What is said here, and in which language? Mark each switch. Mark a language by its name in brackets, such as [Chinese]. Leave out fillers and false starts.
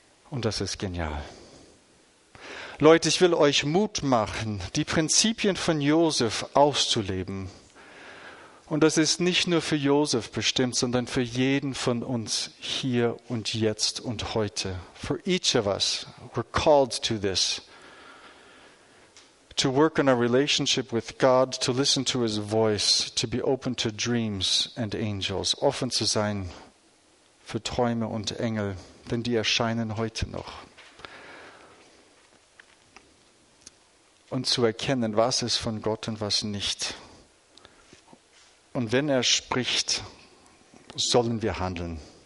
[German] Und das ist genial. Leute, ich will euch Mut machen, die Prinzipien von Josef auszuleben. Und das ist nicht nur für Josef bestimmt, sondern für jeden von uns hier und jetzt und heute. [English] For each of us, we're called to this. To work on our relationship with God, to listen to his voice, to be open to dreams and angels. [German] Offen zu sein für Träume und Engel, denn die erscheinen heute noch. Und zu erkennen, was ist von Gott und was nicht. Und wenn er spricht, sollen wir handeln.